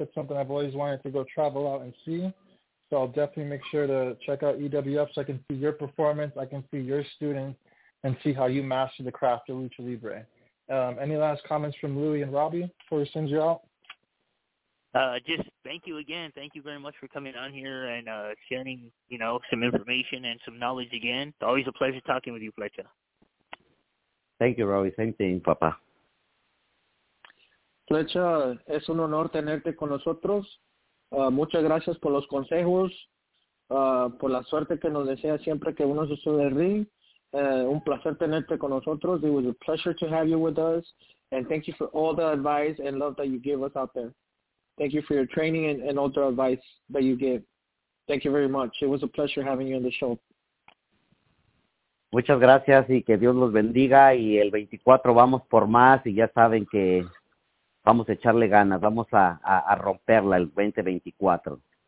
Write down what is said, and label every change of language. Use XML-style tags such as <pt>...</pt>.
<en>It's something I've always wanted to go travel out and see. So I'll definitely make sure to check out EWF so I can see your performance, I can see your students, and see how you master the craft of Lucha Libre. Any last comments from Louie and Robbie before we send you out? Just thank you again. Thank you very much for coming on here and sharing, you know, some information and some knowledge again. It's always a pleasure talking with you, Fletcher. Thank you, Robbie. Same thing, Papa.</en> <es>Flecha, es un honor tenerte con nosotros. Muchas gracias por los consejos, por la suerte que nos desea siempre que uno se sube al ring. Un placer tenerte con nosotros.</es> <en>It was a pleasure to have you with us. And thank you for all the advice and love that you give us out there. Thank you for your training and all the advice that you give. Thank you very much. It was a pleasure having you on the show.</en> <es>Muchas gracias y que Dios los bendiga. Y el 24 vamos por más y ya saben que vamos a echarle ganas, vamos a romperla el 2024.</es>